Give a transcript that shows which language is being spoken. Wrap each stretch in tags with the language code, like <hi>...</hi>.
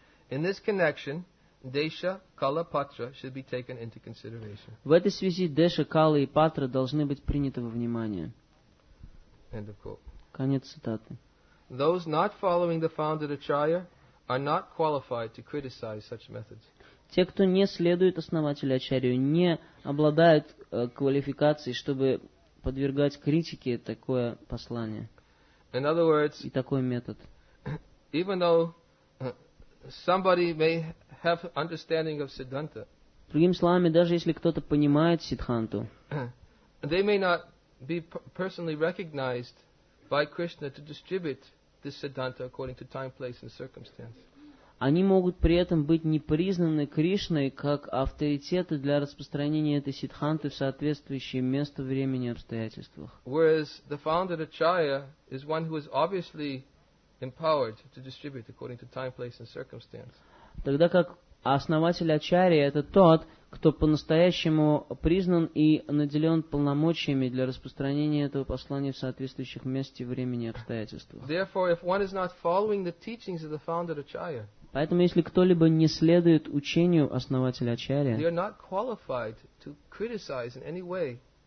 <en>In this connection, desha, kala, patra should be taken into consideration.</en> <ru>В этой связи деша, кала и патра должны быть приняты во внимание.</ru> <en>End of quote.</en> <ru>Конец цитаты.</ru> <en>Those not following the founded acharya are not qualified to criticize such methods.</en> <ru>Те, кто не следует основателю ачарью, не обладают квалификацией, чтобы подвергать критике такое послание.</ru> <en>In other words,</en> <ru>и такой метод.</ru> <en>Even though somebody may have understanding of Siddhanta.</en> <ru>Другими словами, даже если кто-то понимает Сиддханту,</ru> <en>they may not be personally recognized by Krishna to distribute this Siddhanta according to time, place and circumstance.</en> <ru>Они могут при этом быть не признаны Кришной как авторитеты для распространения этой Сиддханты в соответствующее место, времени и обстоятельствах.</ru> <en>Whereas the founder Acharya is one who is obviously empowered to distribute according to time, place and circumstance.</en> <ru>Тогда как основатель ачарьи это тот, кто по-настоящему признан и наделен полномочиями для распространения этого послания в соответствующих месте, времени и обстоятельствах.</ru> <en>Therefore, if one is not following the teachings of the founder Acharya,</en> <ru>поэтому если кто-либо не следует учению основателя ачарьи,</ru> <en>they are not qualified to criticize in any way.</en>